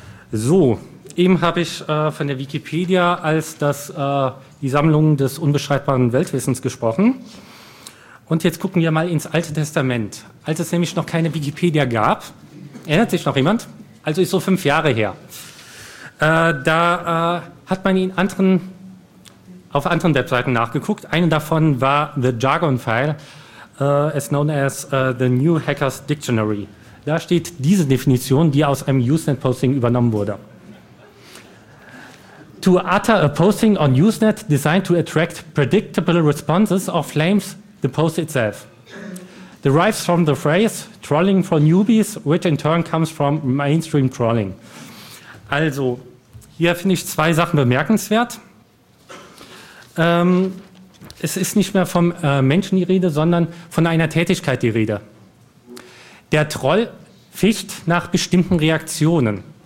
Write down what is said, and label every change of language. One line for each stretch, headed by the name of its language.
German: So, eben habe ich von der Wikipedia als das, die Sammlung des unbeschreibbaren Weltwissens gesprochen. Und jetzt gucken wir mal ins Alte Testament. Als es nämlich noch keine Wikipedia gab, erinnert sich noch jemand? Also ist so 5 Jahre her. Hat man in anderen, auf anderen Webseiten nachgeguckt. Eine davon war The Jargon File, as known as The New Hacker's Dictionary. Da steht diese Definition, die aus einem Usenet-Posting übernommen wurde.
English: To utter a posting on Usenet designed to attract predictable responses or flames the post itself. Derives from the phrase trolling for newbies, which in turn comes from mainstream trolling.
German: Also, hier finde ich 2 Sachen bemerkenswert. Es ist nicht mehr vom Menschen die Rede, sondern von einer Tätigkeit die Rede. Der Troll fischt nach bestimmten Reaktionen.